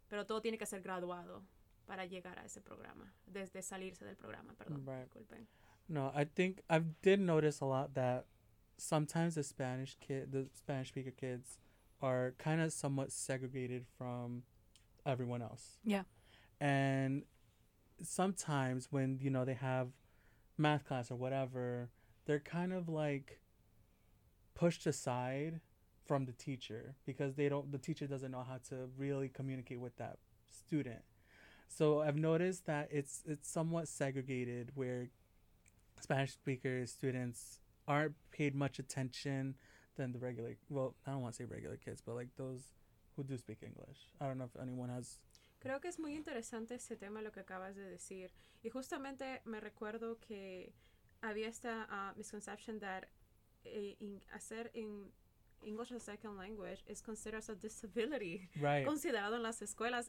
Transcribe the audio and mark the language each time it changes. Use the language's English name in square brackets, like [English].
[Spanish] Pero todo tiene que ser graduado para llegar a ese programa, desde salirse del programa, perdón, [English] right. [Spanish] Disculpen. [English] No, I think I did notice a lot that sometimes the Spanish speaker kids are kind of somewhat segregated from everyone else. Yeah. And sometimes when, you know, they have math class or whatever, they're kind of like pushed aside from the teacher because the teacher doesn't know how to really communicate with that student. So I've noticed that it's somewhat segregated where Spanish speakers students aren't paid much attention than the regular, well, I don't want to say regular kids, but like those who do speak English. I don't know if anyone has. [Spanish] Creo que es muy interesante ese tema lo que acabas de decir. Y justamente me recuerdo que había esta [English] misconception that [Spanish] hacer en [English] English as a second language is considered as a disability. Right. [Spanish] Considerado en las escuelas.